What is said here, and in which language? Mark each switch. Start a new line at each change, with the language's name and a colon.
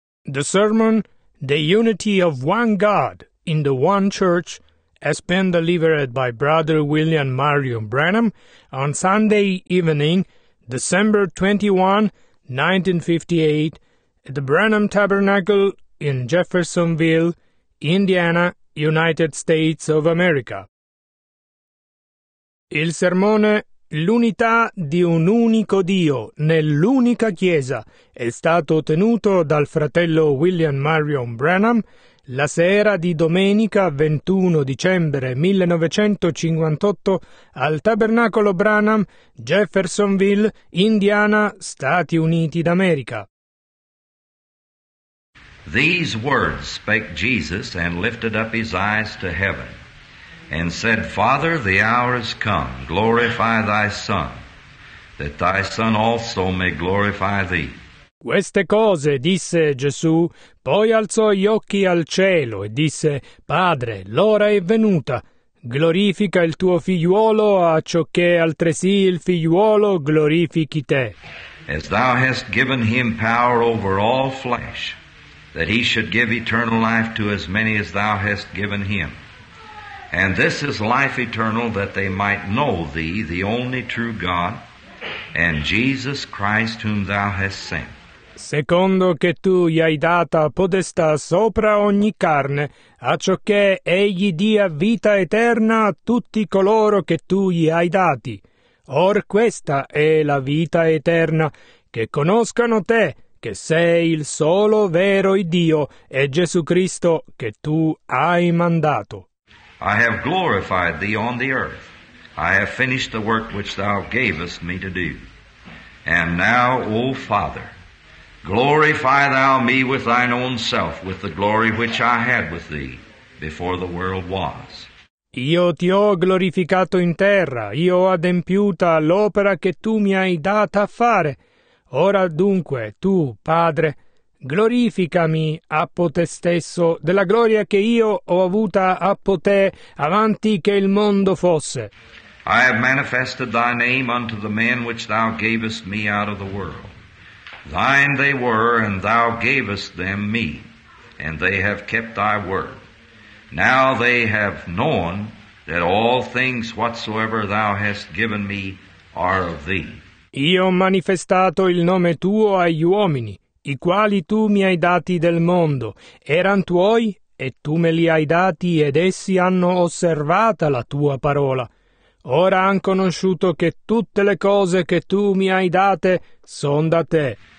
English: The sermon, The Unity of One God in the One Church, has been delivered by Brother William Marion Branham on Sunday evening, December 21, 1958, at the Branham Tabernacle in Jeffersonville, Indiana, United States of America.
Italian: Il sermone L'unità di un unico Dio nell'unica Chiesa è stato tenuto dal fratello William Marion Branham la sera di domenica 21 dicembre 1958 al Tabernacolo Branham, Jeffersonville, Indiana, Stati Uniti d'America.
English: These words spake Jesus and lifted up his eyes to heaven. And said, Father, the hour is come, glorify thy Son, that thy Son also may glorify thee.
Italian: Queste cose disse Gesù, poi alzò gli occhi al cielo e disse, Padre, l'ora è venuta, glorifica il tuo figliuolo, acciocché altresì il figliuolo glorifichi te.
English: As thou hast given him power over all flesh, that he should give eternal life to as many as thou hast given him. And this is life eternal, that they might know thee, the only true God, and Jesus Christ whom thou hast sent.
Italian: Secondo che tu gli hai data podestà sopra ogni carne, acciocché egli dia vita eterna a tutti coloro che tu gli hai dati. Or questa è la vita eterna, che conoscano te, che sei il solo vero Dio, e Gesù Cristo che tu hai mandato.
English: I have glorified thee on the earth. I have finished the work which thou gavest me to do. And now, O Father, glorify thou me with thine own self, with the glory which I had with thee before the world was.
Italian: Io ti ho glorificato in terra, io ho adempiuta l'opera che tu mi hai data a fare. Ora dunque, tu, Padre, glorificami a te stesso della gloria che io ho avuta a te avanti che il mondo fosse.
English: I have manifested thy name unto the men which thou gavest me out of the world. Thine they were, and thou gavest them me, and they have kept thy word. Now they have known that all things whatsoever thou hast given me are of thee.
Italian: Io ho manifestato il nome tuo agli uomini, i quali tu mi hai dati del mondo. Eran tuoi, e tu me li hai dati, ed essi hanno osservata la tua parola. Ora han conosciuto che tutte le cose che tu mi hai date son da te.